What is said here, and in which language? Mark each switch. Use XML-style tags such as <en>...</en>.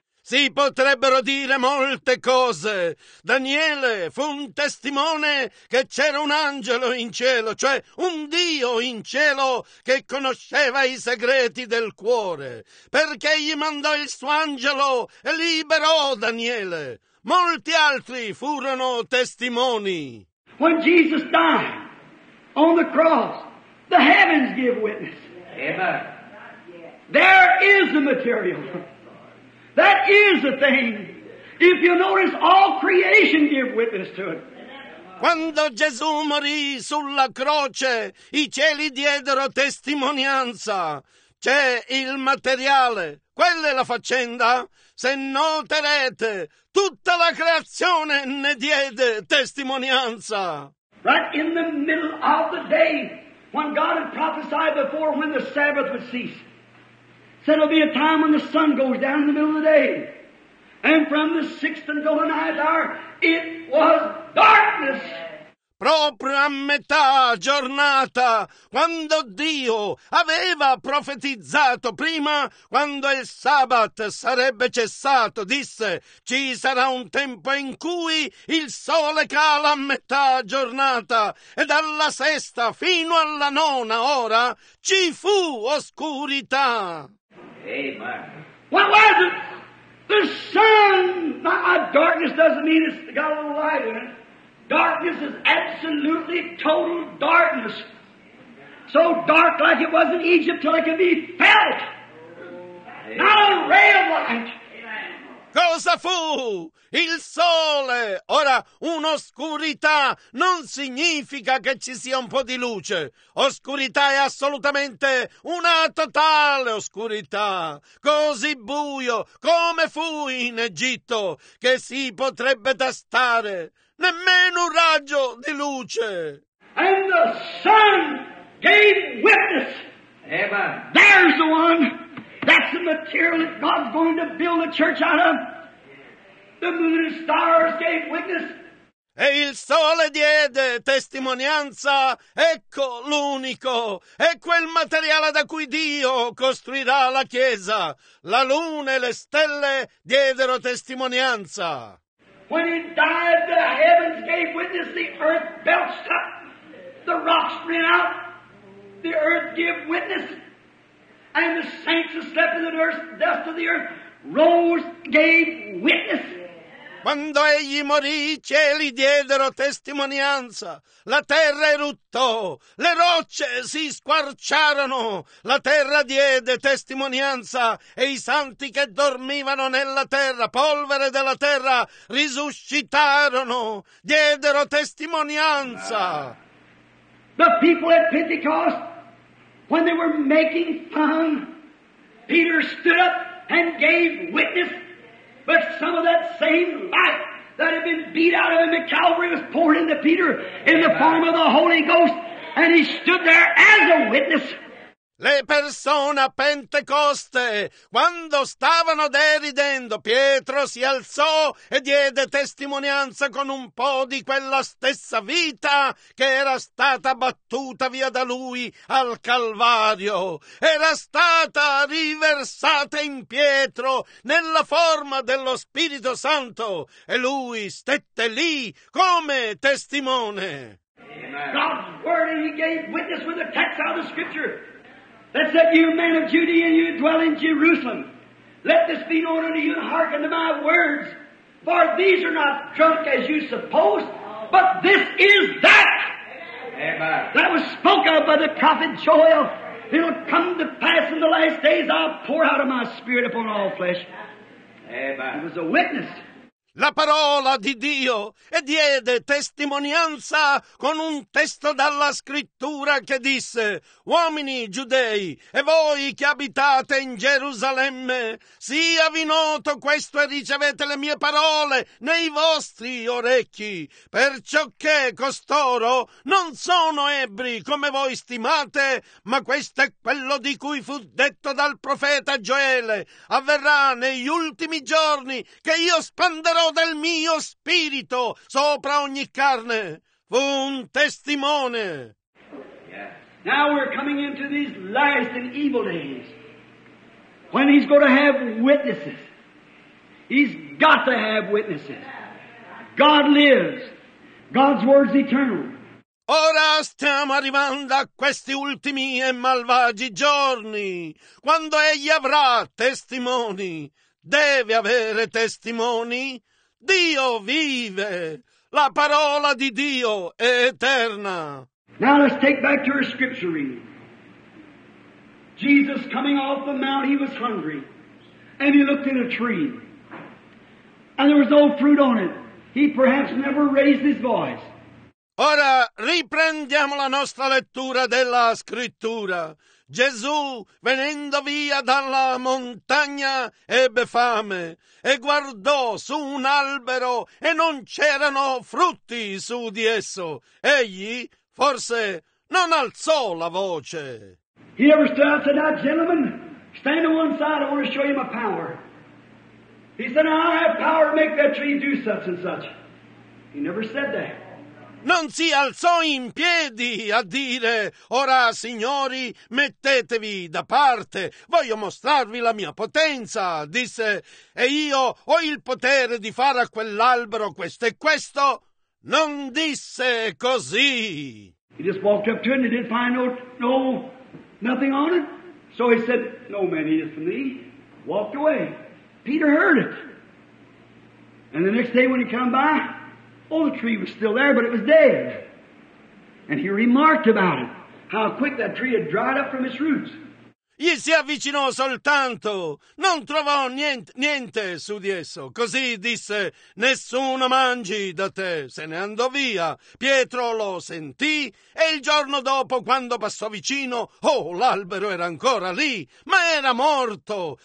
<it>Si potrebbero dire molte cose. Daniele fu un testimone che c'era un angelo in cielo, cioè un Dio in cielo che conosceva i segreti del cuore, perché gli mandò il suo angelo e liberò Daniele. Molti altri furono testimoni.</it> <en>When Jesus died on the cross, the heavens give witness. Amen. There is the material. That is the thing. If you notice, all creation give witness to it.</en> <it>Quando Gesù morì sulla croce, i cieli diedero testimonianza. C'è il materiale. Quella è la faccenda. Se noterete, tutta la creazione ne diede testimonianza.</it> <en>Right in the middle of the day, when God had prophesied before when the Sabbath would cease. Said it'll be a time when the sun goes down in the middle of the day. And from the sixth until the ninth hour, it was darkness.</en> <it>Proprio a metà giornata, quando Dio aveva profetizzato prima, quando il sabato sarebbe cessato, disse, ci sarà un tempo in cui il sole cala a metà giornata, e dalla sesta fino alla nona ora ci fu oscurità.</it> <en>Amen. What was it? The sun. My darkness doesn't mean it's got a little light in it. Darkness is absolutely total darkness. So dark like it was in Egypt till it could be felt. Amen. Not a ray of light.</en> <it>Cosa fu? Il sole. Ora, un'oscurità non significa che ci sia un po' di luce. Oscurità è assolutamente una totale oscurità. Così buio come fu in Egitto che si potrebbe tastare nemmeno un raggio di luce.</it> <en>And the sun gave witness. Eva. There's the one. That's the material that God's going to build a church out of. The moon and stars gave witness.</en> <it>E il sole diede testimonianza. Ecco l'unico. È quel materiale da cui Dio costruirà la chiesa. La luna e le stelle diedero testimonianza.</it> <en>When he died, the heavens gave witness. The earth belched up. The rocks ran out. The earth gave witness. And the saints who slept in the dust of the earth rose, gave witness.</en> <it>Quando egli morì, i cieli diedero testimonianza. La terra eruttò, le rocce si squarciarono. La terra diede testimonianza e i santi che dormivano nella terra, polvere della terra, risuscitarono, diedero testimonianza.</it> <en>The people at Pentecost, when they were making fun, Peter stood up and gave witness. But some of that same light that had been beat out of him at Calvary was poured into Peter in the form of the Holy Ghost, and he stood there as a witness.</en> <it>Le persone a Pentecoste, quando stavano deridendo, Pietro si alzò e diede testimonianza con un po' di quella stessa vita che era stata battuta via da lui al Calvario. Era stata riversata in Pietro nella forma dello Spirito Santo e lui stette lì come testimone.</it> <en>God's word he gave witness with a text out of the scripture. That said, you men of Judea and you dwell in Jerusalem, let this be known unto you and hearken to my words, for these are not drunk as you suppose, but this is that. Amen. That was spoken of by the prophet Joel. It'll come to pass in the last days, I'll pour out of my spirit upon all flesh. Amen. It was a witness.</en> <it>La parola di Dio e diede testimonianza con un testo dalla scrittura che disse: uomini giudei e voi che abitate in Gerusalemme, siavi noto questo e ricevete le mie parole nei vostri orecchi, perciò che costoro non sono ebri come voi stimate, ma questo è quello di cui fu detto dal profeta Gioele: avverrà negli ultimi giorni che io spanderò del mio spirito sopra ogni carne. Fu un testimone.</it> <en>Yeah. Now we're coming into these last and evil days when he's going to have witnesses. He's got to have witnesses. God lives. God's word's eternal.</en> <it>Ora stiamo arrivando a questi ultimi e malvagi giorni quando egli avrà testimoni. Deve avere testimoni. Dio vive! La parola di Dio è eterna!</it> <en>Now let's take back to our scripture reading. Jesus coming off the mount, he was hungry. And he looked in a tree. And there was no fruit on it. He perhaps never raised his voice.</en> <it>Ora riprendiamo la nostra lettura della scrittura. Gesù, venendo via dalla montagna, ebbe fame e guardò su un albero e non c'erano frutti su di esso. Egli, forse, non alzò la voce.</it> <en>He ever stood out and said, now, gentlemen, stand to one side, I want to show you my power. He said, now, I have power to make that tree do such and such. He never said that.</en> <it>Non si alzò in piedi a dire, ora signori, mettetevi da parte, voglio mostrarvi la mia potenza, disse, e io ho il potere di fare a quell'albero questo e questo. Non disse così.</it> <en>He just walked up to it and he didn't find nothing on it. So he said, no man eateth from thee. Walked away. Peter heard it. And the next day when he came by, oh, the tree was still there, but it was dead. And he remarked about it, how quick that tree had dried up from its roots.</en> <it>Gli si avvicinò soltanto, non trovò niente su di esso. Così disse, nessuno mangi da te. Se ne andò via. Pietro lo sentì e il giorno dopo, quando passò vicino, oh, l'albero era ancora lì, ma era morto.</it>